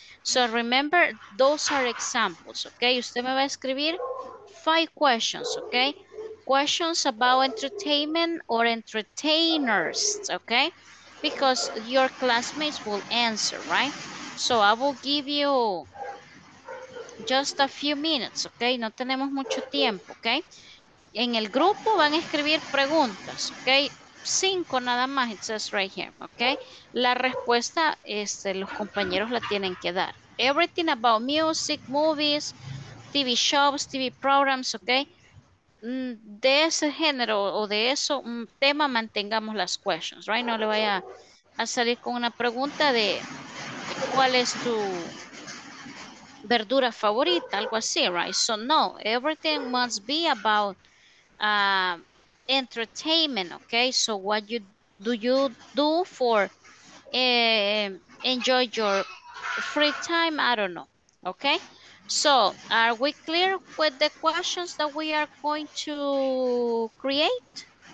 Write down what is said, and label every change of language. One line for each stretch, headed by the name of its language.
English: So remember, those are examples. Okay.
Spanish: Usted me va a escribir
English: 5 questions. Okay. Questions about entertainment or entertainers. Okay. Because your classmates will answer, right? So I will give you just a few minutes, okay?
Spanish: No tenemos mucho tiempo, okay? En el grupo van a escribir preguntas, okay? 5 nada más,
English: it says right here,
Spanish: okay? La respuesta, los compañeros la tienen que dar.
English: Everything about music, movies, TV shows, TV programs, okay?
Spanish: De ese género o de eso tema mantengamos las questions, right? No le vaya a salir con una pregunta de cuál es tu verdura favorita, algo así, right?
English: So no, everything must be about entertainment, okay? So what you do for enjoy your free time, I don't know, okay? So, are we clear with the questions that we are going to create?